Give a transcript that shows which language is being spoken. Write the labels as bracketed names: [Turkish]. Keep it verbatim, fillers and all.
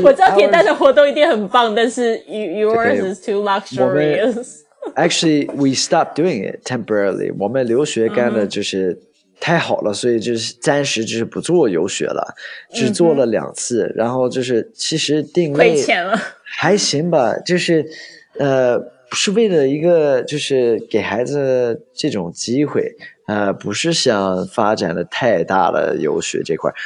[Chinese] 我知道铁蛋的活动一定很棒，但是 [English] yours is too luxurious. Actually, we stopped doing it temporarily. [Chinese] 我们留学干的就是太好了，所以就是暂时就是不做游学了，只做了两次。然后就是其实定位亏钱了，还行吧，就是呃。是为了一个就是给孩子这种机会，呃，不是想发展的太大了游学这块。